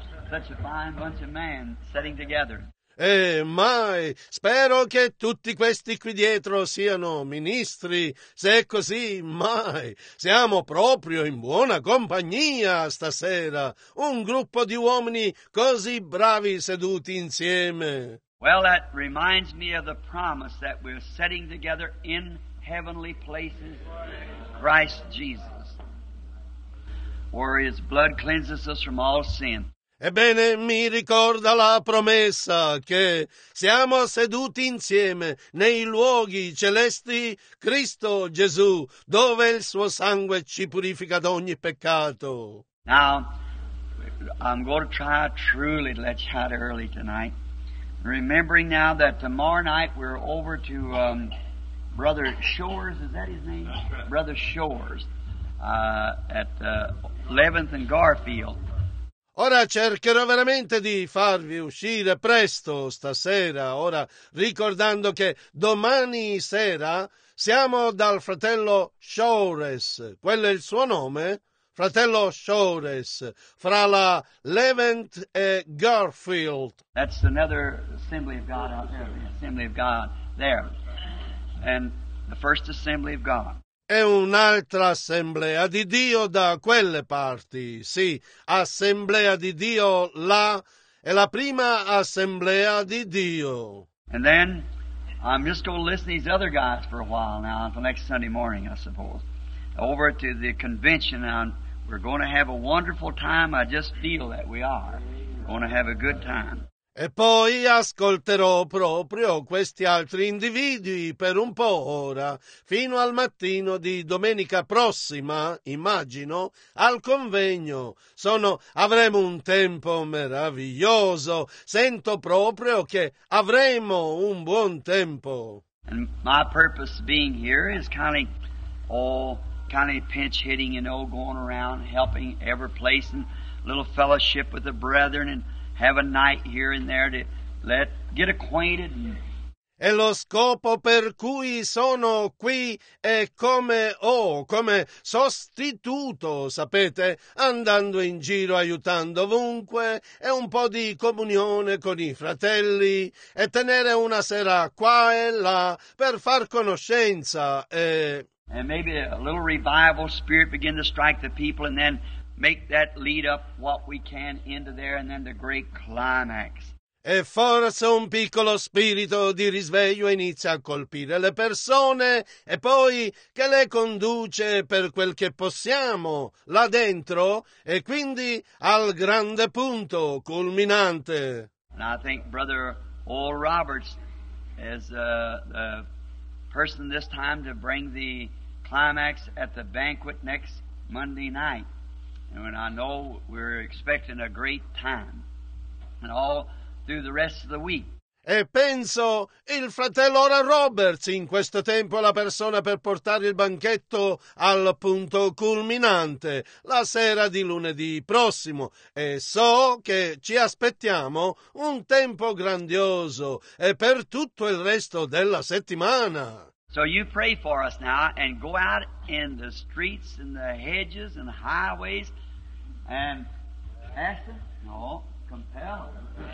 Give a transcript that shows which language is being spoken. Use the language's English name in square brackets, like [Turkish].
[English] Such a fine bunch of men sitting together. [Italian] Mai, spero che tutti questi qui dietro siano ministri. Se è così, mai, siamo proprio in buona compagnia stasera. Un gruppo di uomini così bravi seduti insieme. [English] Well, that reminds me of the promise that we're sitting together in heavenly places, Christ Jesus, where His blood cleanses us from all sin. [Italian] Ebbene, mi ricorda la promessa che siamo seduti insieme nei luoghi celesti, Cristo Gesù, dove il suo sangue ci purifica da ogni peccato. [English] Now, I'm going to try truly to let you out early tonight. Remembering now that tomorrow night we're over to Brother Shores, is that his name? Brother Shores, at 11th and Garfield. [Italian] Ora cercherò veramente di farvi uscire presto stasera, ora ricordando che domani sera siamo dal fratello Shores, quello è il suo nome, fratello Shores, fra la Levent e Garfield. [English] That's another assembly of God out there, the assembly of God there, and the first assembly of God. [Italian] È un'altra assemblea di Dio da quelle parti, sì, assemblea di Dio là, è la prima assemblea di Dio. [English] And then I'm just going to listen to these other guys for a while now, until next Sunday morning, I suppose. Over to the convention, and we're going to have a wonderful time, I just feel that we are. We're going to have a good time. [Italian] E poi ascolterò proprio questi altri individui per un po' ora, fino al mattino di domenica prossima, immagino, al convegno. Avremo un tempo meraviglioso. Sento proprio che avremo un buon tempo. [English] And my purpose being here is kind of pinch hitting, you know, going around, helping every place, and little fellowship with the brethren, and have a night here and there to get acquainted. [Italian] E lo scopo per cui sono qui è come sostituto, sapete, andando in giro, aiutando ovunque, e un po' di comunione con i fratelli, e tenere una sera qua e là per far conoscenza. [English] And maybe a little revival spirit begin to strike the people, and then make that lead up what we can into there, and then the great climax. [Italian] E forse un piccolo spirito di risveglio inizia a colpire le persone, e poi che le conduce per quel che possiamo là dentro, e quindi al grande punto culminante. [English] And I think Brother Oral Roberts is the person this time to bring the climax at the banquet next Monday night. And when I know we're expecting a great time. and all through the rest of the week. [Italian] E penso, il fratello Oral Roberts in questo tempo è la persona per portare il banchetto al punto culminante, la sera di lunedì prossimo. E so che ci aspettiamo un tempo grandioso e per tutto il resto della settimana. [English] So you pray for us now and go out in the streets and the hedges and the highways and ask them? No, compel them.